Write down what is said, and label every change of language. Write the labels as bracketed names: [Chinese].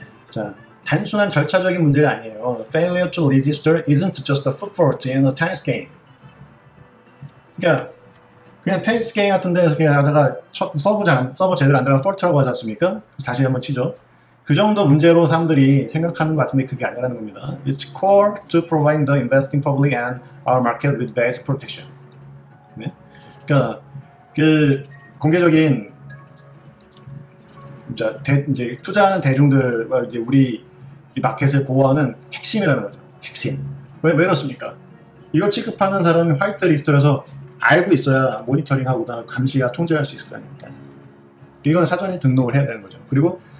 [Korean] 자, 단순한 절차적인 문제가 아니에요. [English] Failure to register isn't just a footfault in a tennis game. [Korean] 그러니까 그냥 테니스 게임 같은 데서 그냥 하다가 서버 제대로 안 들어가 fault라고 하지 않습니까? 다시 한번 치죠. 그 정도 문제로 사람들이 생각하는 것 같은데 그게 아니라는 겁니다. [English] It's core to providing the investing public and our market with basic protection. [Korean] 네? 그러니까 그 공개적인 이제 투자하는 대중들과 이제 우리 이 마켓을 보호하는 핵심이라는 거죠. 핵심. 왜 이렇습니까? 이거 취급하는 사람이 화이트 리스트라서 알고 있어야 모니터링하고 감시가 통제할 수 있을 거 아닙니까? 이건 사전에 등록을 해야 되는 거죠. 그리고